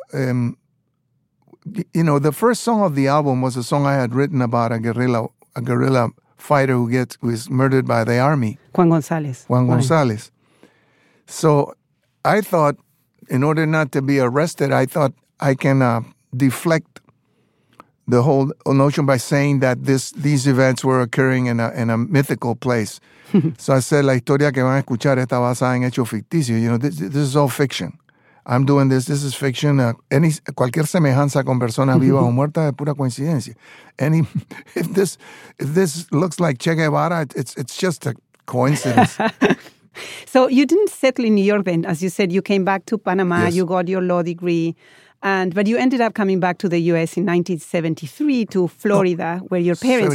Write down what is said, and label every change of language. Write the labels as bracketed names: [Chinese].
[English] The first song of the album was a song I had written about a guerrilla fighter who is murdered by the army. Juan González. Juan González. So I thought, in order not to be arrested, I thought I can deflect the whole notion by saying that these events were occurring in a mythical place. So I said, [Spanish] la historia que van a escuchar está basada en hecho ficticio. [English] This is all fiction. I'm doing this. This is fiction. [Spanish] Cualquier semejanza con persona viva o muerta es pura coincidencia. [English] If this looks like Che Guevara, it's just a coincidence. So you didn't settle in New York then. As you said, you came back to Panama. Yes. You got your law degree. But you ended up coming back to the U.S. in 1973 to Florida, where your parents